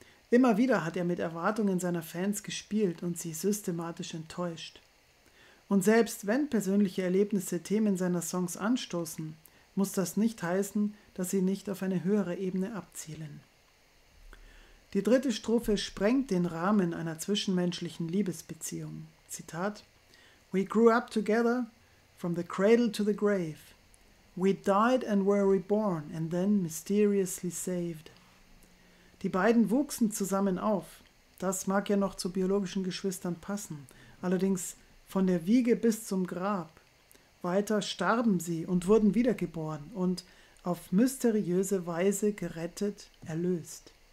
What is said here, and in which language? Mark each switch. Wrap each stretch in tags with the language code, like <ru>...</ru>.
<de>Immer wieder hat er mit Erwartungen seiner Fans gespielt und sie systematisch enttäuscht. Und selbst wenn persönliche Erlebnisse Themen seiner Songs anstoßen, muss das nicht heißen, dass sie nicht auf eine höhere Ebene abzielen. Die dritte Strophe sprengt den Rahmen einer zwischenmenschlichen Liebesbeziehung.</de> <en>Zitat: We grew up together, from the cradle to the grave. We died and were reborn and then mysteriously saved.</en> <de>Die beiden wuchsen zusammen auf. Das mag ja noch zu biologischen Geschwistern passen. Allerdings von der Wiege bis zum Grab. Weiter starben sie und wurden wiedergeboren und auf mysteriöse Weise gerettet, erlöst.</de>